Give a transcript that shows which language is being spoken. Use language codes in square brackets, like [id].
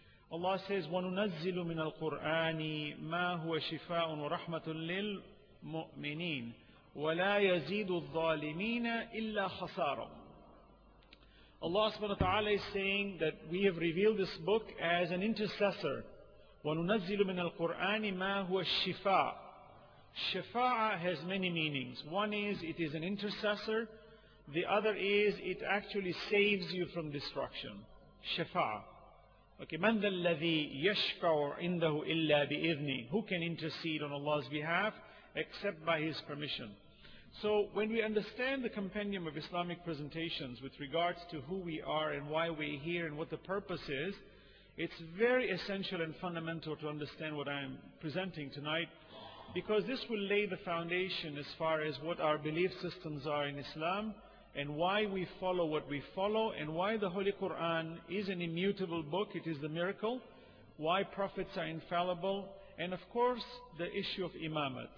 [en] Allah says, [ar] وَنُنَزِّلُ مِنَ الْقُرْآنِ مَا هُوَ شِفَاءٌ وَرَحْمَةٌ لِلْمُؤْمِنِينَ وَلَا يَزِيدُ الظَّالِمِينَ إِلَّا خَسَارًا [en] Allah subhanahu wa ta'ala is saying that we have revealed this book as an intercessor. [ar] وَنُنَزِّلُ مِنَ الْقُرْآنِ مَا هُوَ الشِّفَاءُ. [en] Shafa'a has many meanings. One is it is an intercessor. The other is it actually saves you from destruction. Shafa'a. [ar] Okay, مَنْ ذَا الَّذِي يَشْفَعُ عِنْدَهُ إِلَّا بِإِذْنِهِ. [en] Who can intercede on Allah's behalf except by His permission? So when we understand the compendium of Islamic presentations with regards to who we are and why we're here and what the purpose is, it's very essential and fundamental to understand what I'm presenting tonight, because this will lay the foundation as far as what our belief systems are in Islam and why we follow what we follow and why the Holy Quran is an immutable book, it is the miracle, why prophets are infallible, and of course the issue of imamat.